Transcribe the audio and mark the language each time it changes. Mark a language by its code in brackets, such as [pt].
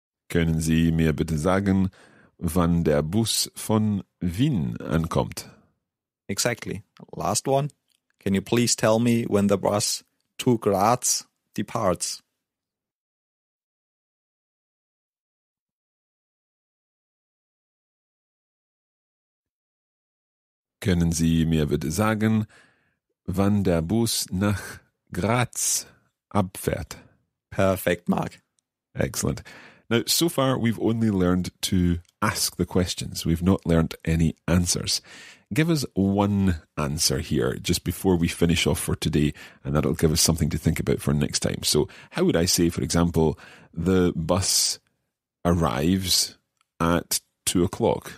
[de] Können Sie mir bitte sagen, wann der Bus von Wien ankommt? [en] Exactly. Last one. Can you please tell me when the bus to Graz departs? [de] Können Sie mir bitte sagen, wann der Bus nach Graz abfährt? [en] Perfect, Mark. Excellent. Now, so far, we've only learned to ask the questions. We've not learned any answers. Give us one answer here, just before we finish off for today, and that'll give us something to think about for next time. So, how would I say, for example, the bus arrives at 2:00?